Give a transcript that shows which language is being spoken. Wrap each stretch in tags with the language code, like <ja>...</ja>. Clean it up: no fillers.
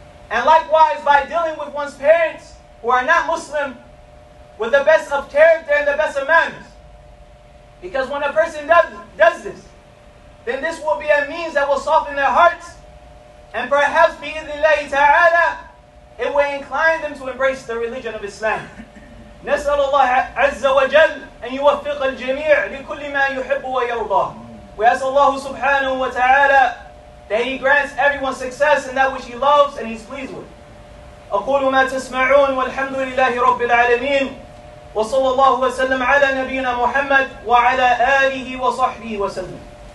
<en>And likewise, by dealing with one's parents who are not Muslim with the best of character and the best of manners. Because when a person does this, then this will be a means that will soften their hearts and perhaps, bi'idhnillahi ta'ala, it will incline them to embrace the religion of Islam.</en> <ar>نسأل الله عز وجل أن يوفق الجميع لكل ما يحب ويرضى.</ar> <en>We ask Allah subhanahu wa ta'ala that He grants everyone success in that which He loves and He's pleased with.</en> <ar>أقول ما تسمعون والحمد لله رب العالمين وصلى الله وسلم على نبينا محمد وعلى آله وصحبه وسلم.</ar>